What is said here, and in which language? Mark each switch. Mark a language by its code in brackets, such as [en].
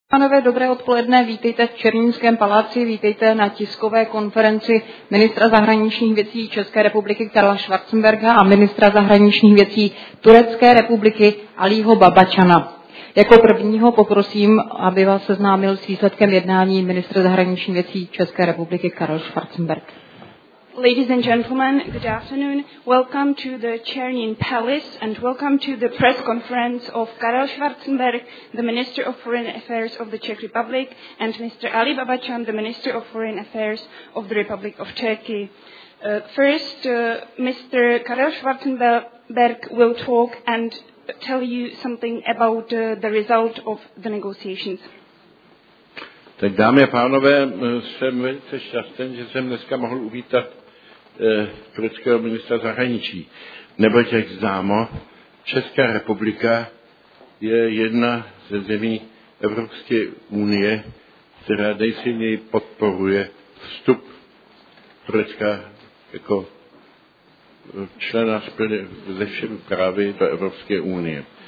[cs] Pánové, dobré odpoledne, vítejte v Černínském paláci, vítejte na tiskové konferenci ministra zahraničních věcí České republiky Karla Schwarzenberga a ministra zahraničních věcí Turecké republiky Aliho Babacana. Jako prvního poprosím, aby vás seznámil s výsledkem jednání ministr zahraničních věcí České republiky Karel Schwarzenberg. [en] Ladies and gentlemen, good afternoon. Welcome to the Černín Palace and welcome to the press conference of Karel Schwarzenberg, the Minister of Foreign Affairs of the Czech Republic, and Mr. Ali Babacan, the Minister of Foreign Affairs of the Republic of Turkey. Mr. Karel Schwarzenberg will talk and tell you something about the result of the negotiations. [cs] Tak dámy a pánové, jsem velice šťastný, že jsem dneska mohl uvítat tureckého ministra zahraničí. Neboť jak známo, Česká republika je jedna ze zemí Evropské unie, která nejsilněji podporuje vstup Turecka jako člena ze všemi právy do Evropské unie.